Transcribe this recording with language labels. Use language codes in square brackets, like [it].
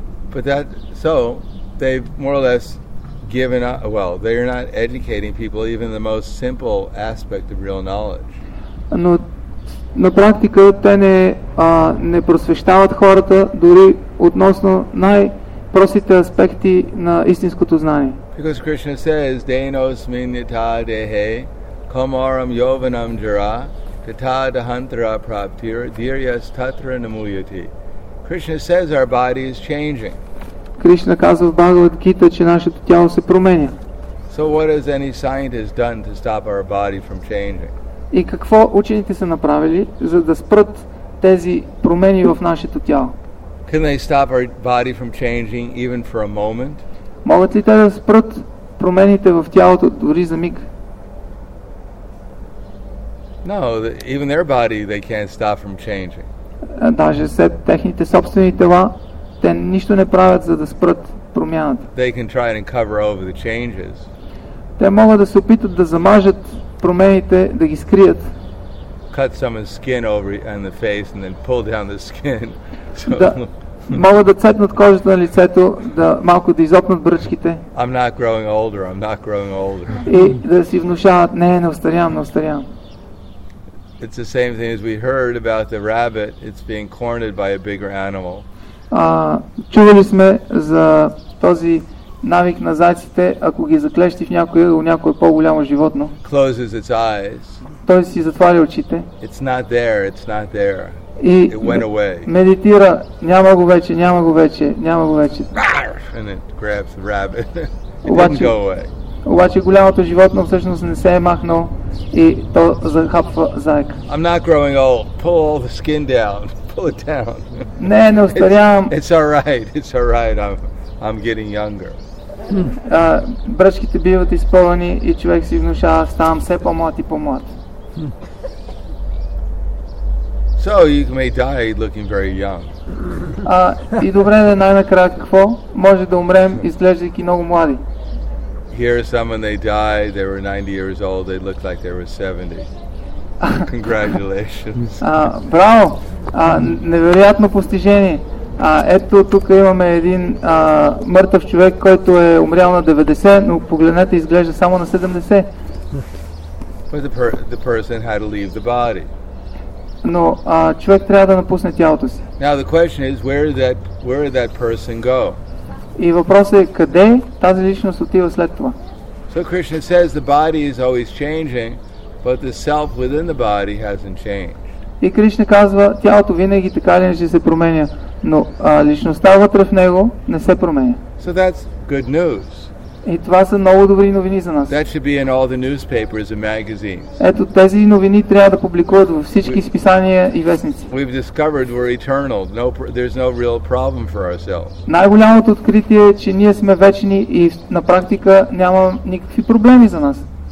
[en] But that, so they've more or less given up, well, they are not educating people even the most simple aspect of real knowledge. [bg] Но на практика те не просвещават хората дори относно най-простите аспекти на истинското знание. [en] Because Krishna says [sa] deinos minita dehe Komaram Yovanam Jara, Tatada Hantra Praptir, Diryas Tatra Namuyati. [en] Krishna says our body is changing. [bg] Кришна казва в Бхагавад Гита, че нашето тяло се променя. [en] So what has any scientist done to stop our body from changing? [bg] И какво учените са направили, за да спрат тези промени в нашето тяло? [en] Can they stop our body from changing even for a moment? [bg] Могат ли те да спрат промените в тялото дори за миг? [en] No, even their body they can't stop from changing. [bg] Даже след техните собствени тела, те нищо не правят, за да спрат промяната. [en] They can try and cover over the changes. [bg] Те могат да се опитат да замажат промените, да ги скрият. [en] Cut some of the skin over on the face and then pull down the skin. [bg] Да, могат да цепнат кожата на лицето, да малко да изопнат бръчките. [en] I'm not growing older, I'm not growing older. [bg] И да си внушават, не, не устарявам, не устарявам. [en] It's the same thing as we heard about the rabbit. It's being cornered by a bigger animal. [bg] Чували сме за този навик на зайците, ако ги заклещи в някое, у някое по-голямо животно. [en] Closes its eyes. [bg] Той си затваря очите. [en] It's not there, it's not there. [bg] И [en] it went away. [bg] Медитира, няма го вече, няма го вече, няма го вече. [en] And it grabs the rabbit. [bg] Обаче, [en] didn't go away. [bg] Обаче голямото животно всъщност не се е махнало и то захапва заека. [en] I'm not growing old. Pull all the skin down. Pull it down. [bg] Не, не устарявам. [en] It's all right. It's all right. I'm getting younger. [bg] Бръчките биват изпълнени и човек си внушава, ставам все по-млад и по-млад. [en] So you may die looking very young. [bg] И добре да най-накрая какво? Може да умрем, изглеждайки много млади. [en] Here someone they died, they were 90 years old, they looked like they were 70. Congratulations. [bg] Браво! Невероятно постижение. Ето тук имаме един мъртъв човек, който е умрял на 90, но погледнете, изглежда само на 70. [en] But the person had to leave the body. [bg] Но човек трябва да напусне тялото си. [en] Now the question is, where did that person go? [bg] И въпросът е, къде тази личност отива след това? [en] So Krishna says the body is always changing, but the self within the body hasn't changed. [bg] И Кришна казва, тялото винаги така ли не се променя, но личността вътре в него не се променя. [en] So that's good news. [bg] И това са много добри новини за нас. [en] That should be in all the newspapers and magazines. [bg] Ето тези новини трябва да публикуват във всички списания и вестници. [en] We've discovered we're eternal. No, there's no real problem for ourselves. [bg] Най-голямото откритие е, че ние сме вечни и на практика няма никакви проблеми за нас.